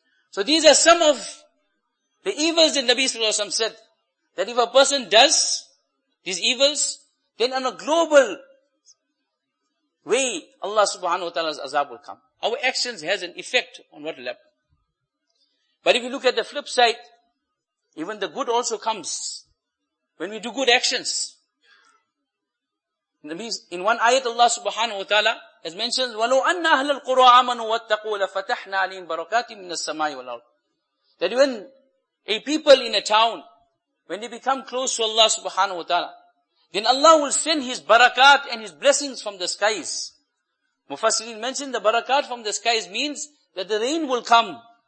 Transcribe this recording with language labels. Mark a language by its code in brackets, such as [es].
[en] So these are some of the evils that Nabi Sallallahu Alaihi Wasallam said, that if a person does these evils, then on a global way, Allah subhanahu wa ta'ala's azab will come. Our actions has an effect on what will happen. But if you look at the flip side, even the good also comes when we do good actions. [ar] In one ayat, Allah subhanahu wa ta'ala has mentioned, وَلَوْ أَنَّ أَهْلَ الْقُرَىٰ آمَنُوا وَاتَّقُوا لَفَتَحْنَا عَلِيْهِمْ بَرَكَاتٍ مِّنَ السَّمَاءِ وَالْأَرْضِ. [en] That when a people in a town, when they become close to Allah subhanahu wa ta'ala, then Allah will send His barakat and His blessings from the skies. Mufassirin mentioned the barakat from the skies means that the rain will come.